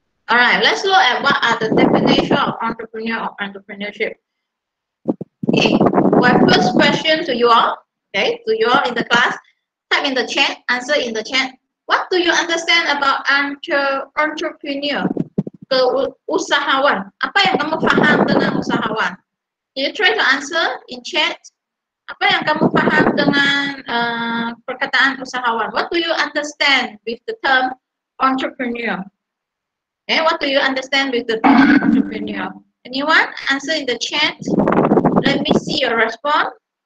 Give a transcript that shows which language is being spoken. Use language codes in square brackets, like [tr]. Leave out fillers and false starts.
[en] All right, let's look at what are the definition of entrepreneur or entrepreneurship. Okay, my first question to you all, okay, to you all in the class, type in the chat, answer in the chat. What do you understand about entrepreneur, the usahawan? [ms] Apa yang kamu faham dengan usahawan? [en] You try to answer in chat. [ms] Apa yang kamu faham dengan perkataan usahawan? [en] What do you understand with the term entrepreneur? Okay, what do you understand with the term entrepreneur? Anyone? Answer in the chat. Let me see your response.